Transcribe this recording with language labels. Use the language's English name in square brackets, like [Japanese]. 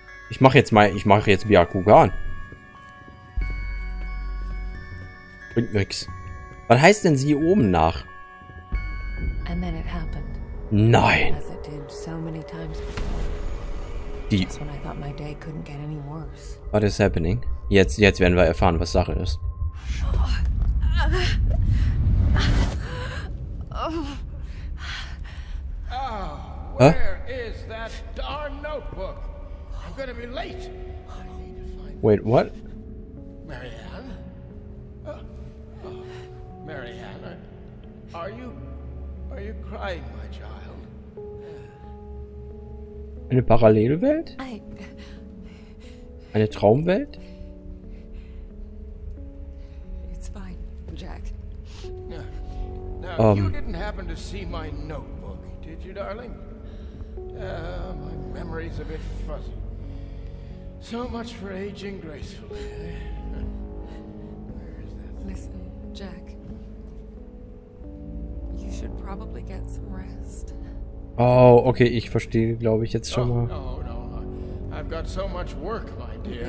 [German] Ich mache jetzt Byakugan. Bringt nix. Was heißt denn siehe oben nach? [English] And then it happened. [German] Nein. [English] As it did so many times before. [German] Die. [English] That's when I thought my day couldn't get any worse. What is happening? [German] Jetzt werden wir erfahren, was Sache ist. [English] Oh, where is that darn notebook? I'm gonna be late. Wait, what? Marianne? Marianne, are you crying, my child? [German] Eine Parallelwelt? Eine Traumwelt? [English] It's fine, Jack. Now, you didn't happen to see my notebook, did you, darling? My memory's a bit fuzzy. So much for aging gracefully. Where is that? Listen, Jack. You should probably get some rest. [German] Oh, okay, ich verstehe, glaube ich, jetzt schon mal. [English] No. I've got so much work, my dear.